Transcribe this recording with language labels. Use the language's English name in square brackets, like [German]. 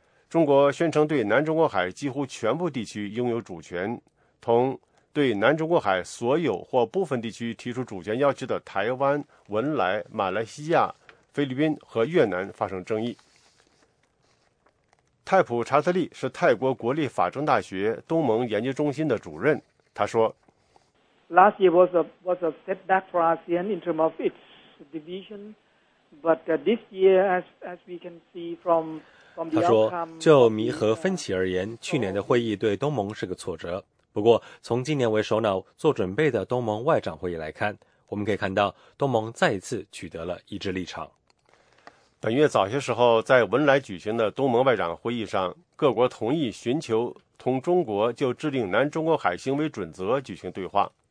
[Chinese] 中国宣称对南中国海几乎全部地区拥有主权，同对南中国海所有或部分地区提出主权要求的台湾、文莱、马来西亚、菲律宾和越南发生争议。泰普查特利是泰国国立法政大学东盟研究中心的主任，他说 [English] Last year was a setback for ASEAN in terms of its division, but this year as we can see from [Chinese] 他说，就弥合分歧而言，去年的会议对东盟是个挫折。不过，从今年为首脑做准备的东盟外长会议来看，我们可以看到东盟再一次取得了一致立场。本月早些时候，在文莱举行的东盟外长会议上，各国同意寻求同中国就制定南中国海行为准则举行对话。